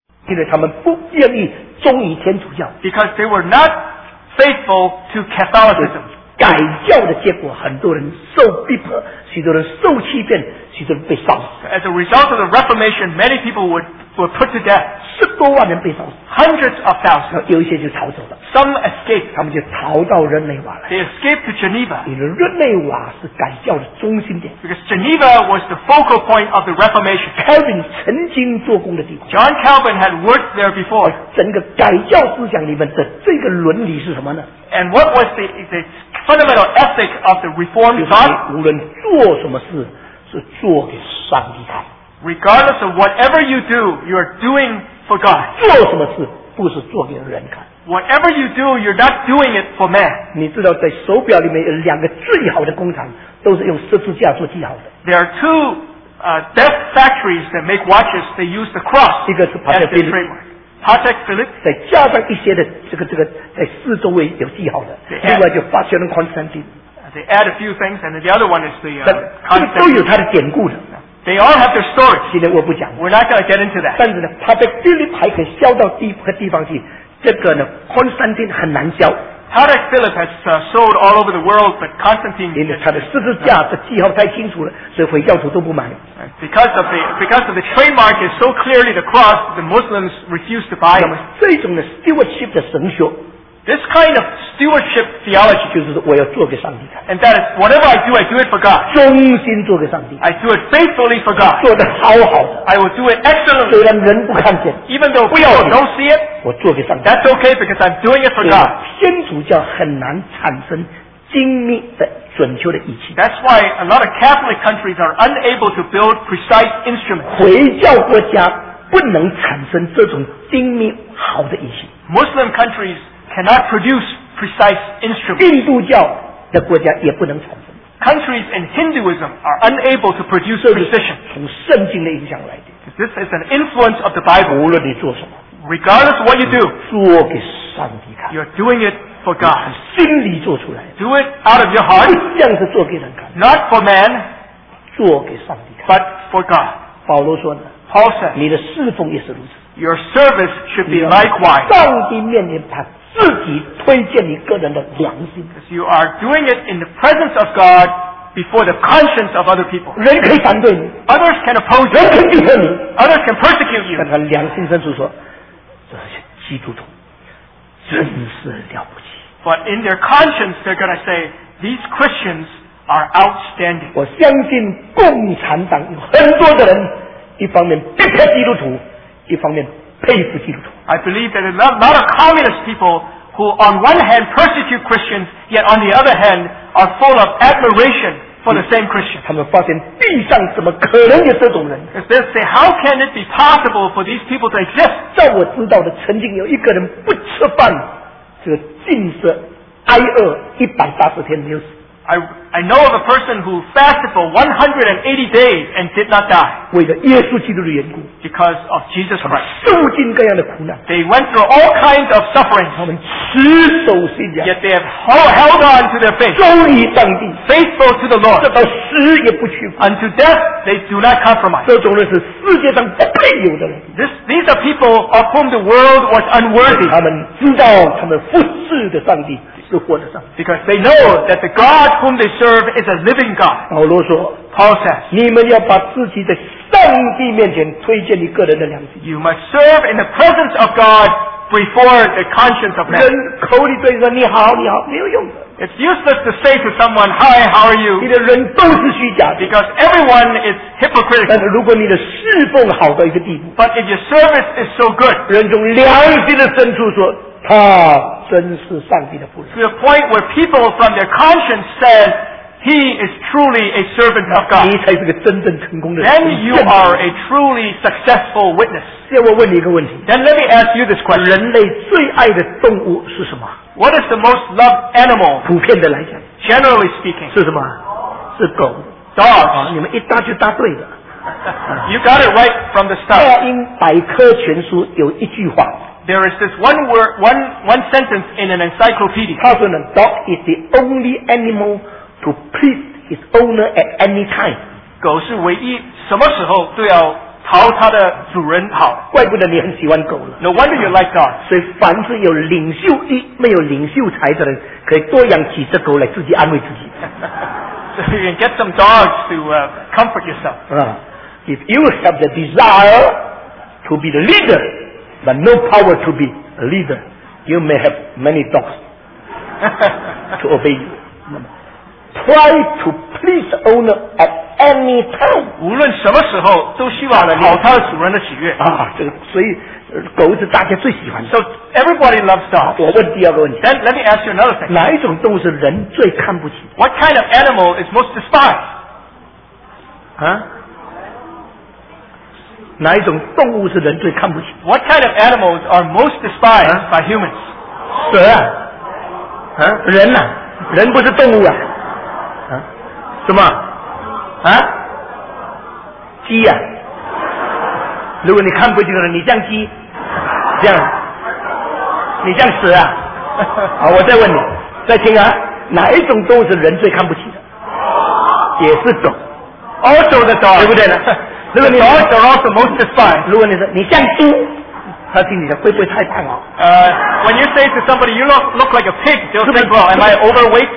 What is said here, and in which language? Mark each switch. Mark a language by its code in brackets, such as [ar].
[zh] 因为他们不愿意忠于天主教。 [en] Because they were not faithful to Catholicism. [zh] 改教的结果，很多人受逼迫，许多人受欺骗，许多人被烧死。 [en] As a result of the Reformation, many people were put to death. [zh] 十多万人被烧死。 [en] Hundreds of thousands. [zh] 有一些就逃走了。 [en] Some escaped. [zh] 他们就逃到日内瓦来。 [en] They escaped to Geneva. [zh] 因为日内瓦是改教的中心点。 [en] Because Geneva was the focal point of the Reformation. [zh] Calvin 曾经做工的地方。 [en] John Calvin had worked there before. [zh] 整个改教思想里面的这个伦理是什么呢？ [en] And what was the fundamental ethic of the Reformed thought? [zh] 无论做什么事，是做给上帝看。 [en] Regardless of whatever you do, you are doing for God. [zh] 做什么事不是做给人看。 [en] Whatever you do, you're not doing it for man. [zh] 你知道在手表里面有两个最好的工厂都是用十字架做记号的。 [en] There are two death factories that make watches. They use the cross. [zh] 一个是 Patek Philippe. 再加上一些的这个在四周围有记号的。另外就发现了 Constantine. [en] They add a few things, and the other one is the. [zh] 这都有它的典故的。 [en] They all have their story. [zh] 现在我不讲。 [en] We're not going to get into that. [zh] 但是呢，他的菲律宾还可以销到地和地方去。这个呢 ，Constantine 很难销。 [en] Patek Philippe has sold all over the world, but Constantine. [zh] 因为他的十字架的记号太清楚了，所以回教徒都不买。 [en] Because the trademark is so clearly the cross, the Muslims refuse to buy it. [zh] 那么这种的 stewardship 的神学。 [en] This kind of stewardship theology, [zh] 就是我要做给上帝看。 [en] And that is whatever I do it for God. [zh] 忠心做给上帝。 [en] I do it faithfully for God. [zh] 做得好好的。 [en] I will do it excellently. [zh] 虽然人不看见。 [en] Even though people don't see it, [zh] 我做给上帝。 [en] That's okay because I'm doing it for God. [zh] 天主教很难产生精密的准确的仪器。 [en] That's why a lot of Catholic countries are unable to build precise instruments. [zh] 回教国家不能产生这种精密好的仪器。 [en] Muslim countries. Cannot produce precise instruments. [zh] 印度教的国家也不能产生。 [en] Countries in Hinduism are unable to produce precision. [zh] 从圣经的影响来的。 [en] This is an influence of the Bible. [zh] 无论你做什么。 [en] Regardless of what you do. [zh] 做给上帝看。 [en] You're doing it for God. [zh] 你心里做出来。 [en] Do it out of your heart. [zh] 不像是做给人看。 [en] Not for man. [zh] 做给上帝看。 [en] But for God. [zh] 保罗说呢。 [en] Paul said. [zh] 你的侍奉也是如此。 [en] Your service should be likewise. [zh] 上帝面临他。自己推荐你个人的良心。 [en] You are doing it in the presence of God before the conscience of other people. [zh] 人可以反对你。 [en] Others can oppose you. [zh] 人可以逼迫你。 [en] Others can persecute you. [zh] 但他良心深处说，这些基督徒真是了不起。 [en] But in their conscience, they're going to say these Christians are outstanding. [zh] 我相信共产党有很多的人，一方面逼迫基督徒，一方面。 [en] I believe that a lot of communist people who on one hand persecute Christians, yet on the other hand are full of admiration for the same Christian. They say, how can it be possible for these people to exist? [zh] 在我知道的曾经有一个人不吃饭就进食挨饿180天没有死。 [en] I know of a person who fasted for 180 days and did not die. [zh] 为了耶稣基督的缘故。 [en] Because of Jesus Christ. [zh] 受尽各样的苦难。 [en] They went through all kinds of suffering. [zh] 他们持守信仰。 [en] Yet they have held on to their faith. [zh] 忠于上帝。 [en] Faithful to the Lord. [zh] 这到死也不屈服。 [en] Unto death, they do not compromise. [zh] 这种人是世界上不配有的人。 [en] These are people of whom the world was unworthy. [zh] 他们知道他们服侍的上帝。 [en] Because they know that the God whom they serve is a living God. [zh] 保罗说 [en] Paul says, [zh] 你们要把自己在上帝面前推荐你个人的良心。 [en] You must serve in the presence of God before the conscience of man. [zh] 人口里对着你好你好没有用的。 [en] It's useless to say to someone, Hi, how are you? [zh] 你的人都是虚假的。 [en] Because everyone is hypocritical. [zh] 但是如果你的侍奉好到一个地步。 [en] But if your service is so good. [zh] 人从良心的深处说他真是上帝的仆人。 [en] To the point where people from their conscience said, He is truly a servant of God. [zh] 你才是个真正成功的人。 [en] Then you are a truly successful witness. [zh] 现在我问你一个问题。 [en] Then let me ask you this question. [zh] 人类最爱的动物是什么？ [en] What is the most loved animal? [zh] 普遍的来讲。 [en] Generally speaking. [zh] 是什么？是狗。 [en] Dogs. [zh] 你们一答就答对的。 [en] You got it right from the start. [zh] 大英百科全书有一句话。 [en] There is this one word, one sentence in an encyclopedia. [zh] 他说呢 [en] ,dog is the only animal to please its owner at any time. [zh] 狗是唯一什么时候都要讨他的主人好，怪不得你很喜欢狗了。 [en] No wonder you like dogs。 [zh] 所以凡是有领袖意没有领袖才的人，可以多养几只狗来自己安慰自己。 [en] So you can get some dogs to comfort yourself. If you have the desire to be the leader, but no power to be a leader, you may have many dogs to obey you. Try to please the owner at any time. [zh] 无论什么时候都希望能讨他的主人的喜悦。这个所以狗是大家最喜欢的。 [en] So everybody loves dogs. [zh] 我问第二个问题。 [en] Then let me ask you another thing. [zh] 哪一种动物是人最看不起？ [en] What kind of animal is most despised? [zh] 哪一种动物是人最看不起？ [en] What kind of animals are most despised by humans? [zh] 蛇啊，人啊，人不是动物啊，什么？鸡啊。如果你看不起人，你像鸡，这样，你像蛇啊？好，我再问你，再听啊，哪一种动物是人最看不起的？也是狗 [en] ，also the dog， [zh] 对不对呢？如果你 [en] also also most despised， [zh] 如果你说你像猪，他听你的会不会太胖啊？ [en] When you say to somebody you look like a pig, they'll say, "Well, am I overweight?"